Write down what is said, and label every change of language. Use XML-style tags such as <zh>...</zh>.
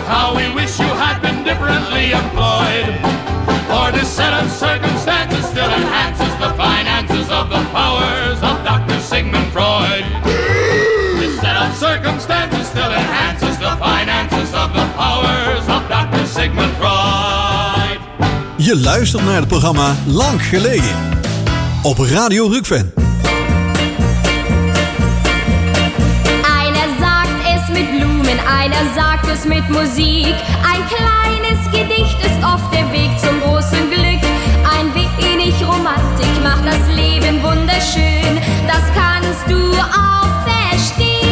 <en>how we wish you had been differently employed. For this set of circumstances still enhances the finances of the powers of Dr. Sigmund Freud. Circumstances still enhances the finances of the powers of Dr. Sigmund Freud.</en> <nl>Je luistert naar het programma Lang Geleden op Radio Rukven.</nl> <de>Einer sagt es mit Blumen, einer sagt es mit Musik. Ein kleines Gedicht ist oft der Weg zum großen Glück. Ein wenig Romantik macht das Leben wunderschön. Das kannst du auch verstehen.</de>